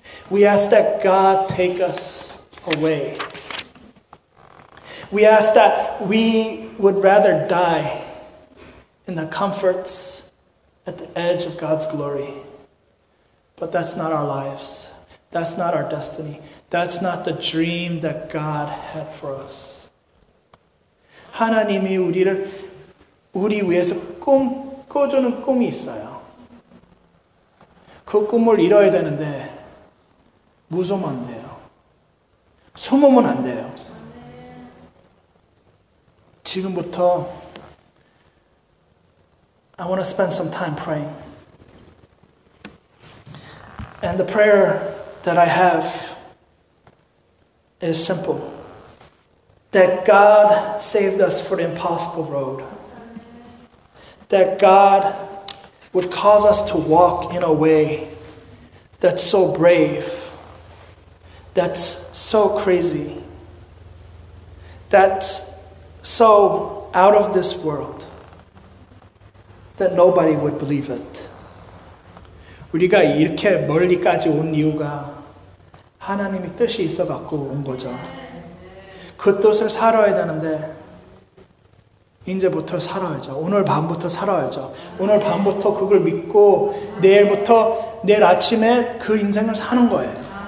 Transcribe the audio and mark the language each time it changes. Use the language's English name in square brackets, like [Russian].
[English] We ask that God take us away. We ask that we would rather die in the comforts at the edge of God's glory. But that's not our lives. That's not our destiny. That's not the dream that God had for us. [Korean] 하나님이 우리 위해서 꿈꿔주는 꿈이 있어요. 그 꿈을 이뤄야 되는데 무서우면 안 돼요. 숨으면 안 돼요. 지금부터 [English] I want to spend some time praying. And the prayer that I have is simple. That God saved us for the impossible road. That God would cause us to walk in a way that's so brave, that's so crazy, that's so out of this world that nobody would believe it. [Korean] 우리가 이렇게 멀리까지 온 이유가 하나님의 뜻이 있어갖고 온 거죠. 그 뜻을 살아야 되는데 이제부터 살아야죠. 오늘 밤부터 살아야죠. 오늘 밤부터 그걸 믿고 내일부터 내일 아침에 그 인생을 사는 거예요.